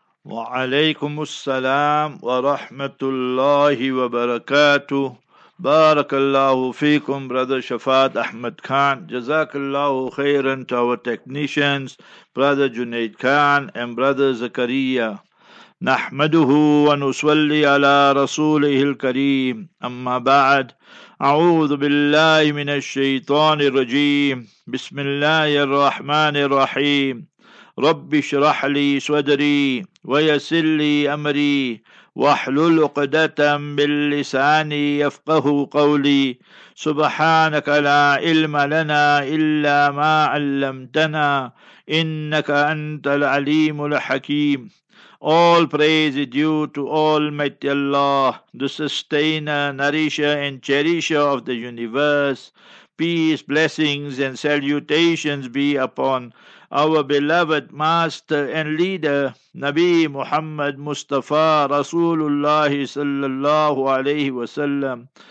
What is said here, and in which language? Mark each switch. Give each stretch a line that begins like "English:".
English: Wa alaikum assalam wa rahmatullahi wa barakatuh. Barakallahu feekum, brother Shafaat Ahmed Khan. Jazakallahu khairan to our technicians, brother Junaid Khan and brother Zakaria.
Arabic: نحمده ونصلي على رسوله الكريم أما بعد أعوذ بالله من الشيطان الرجيم بسم الله الرحمن الرحيم رب اشرح لي صدري ويسر لي أمري واحلل عقدة من لساني يفقه قولي سبحانك لا علم لنا إلا ما علمتنا إنك أنت العليم الحكيم.
English: All praise is due to Almighty Allah, the sustainer, nourisher, and cherisher of the universe. Peace, blessings, and salutations be upon our beloved master and leader, Nabi Muhammad Mustafa Rasulullah sallallahu alayhi wa sallam.